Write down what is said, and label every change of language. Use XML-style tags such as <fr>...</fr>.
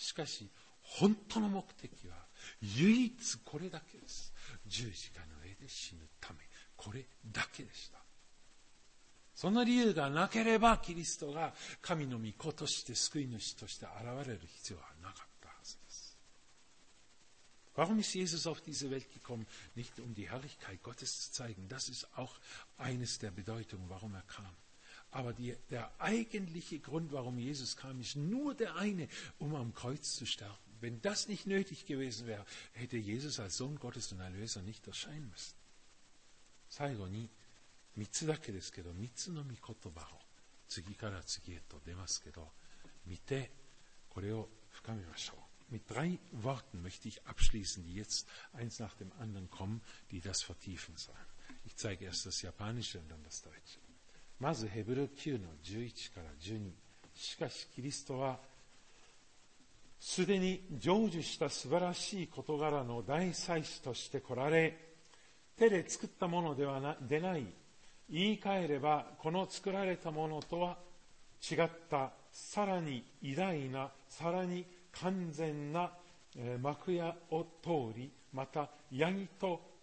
<ja>しかし本当の目的は唯一これだけです。十字架の上で死ぬため、これだけでした。その理由がなければキリストが神の御子として救い主として現れる必要はなかったはずです。</ja> <de>Warum ist Jesus auf diese Welt gekommen? Nicht um die Herrlichkeit Gottes zu zeigen. Das ist auch eines der Bedeutungen, warum kam. Aber der eigentliche Grund, warum Jesus kam, ist nur der eine, am Kreuz zu sterben. Wenn das nicht nötig gewesen wäre, hätte Jesus als Sohn Gottes und Erlöser nicht erscheinen müssen.</de> <ja>最後に3つだけですけど、3つの御言葉を次から次へと出ますけど、見てこれを深めましょう。</ja> <de>Mit drei Worten möchte ich abschließen, die jetzt eins nach dem anderen kommen, die das vertiefen sollen. Ich zeige erst das Japanische und dann das Deutsche.</de> <ja>まずヘブル9の11から12。しかしキリストはすでに成就した素晴らしい事柄の大祭司として来られ、手で作ったものではな、でない、言い換えればこの作られたものとは違った、さらに偉大な、さらに完全な、幕屋を通り、またヤギと</ja>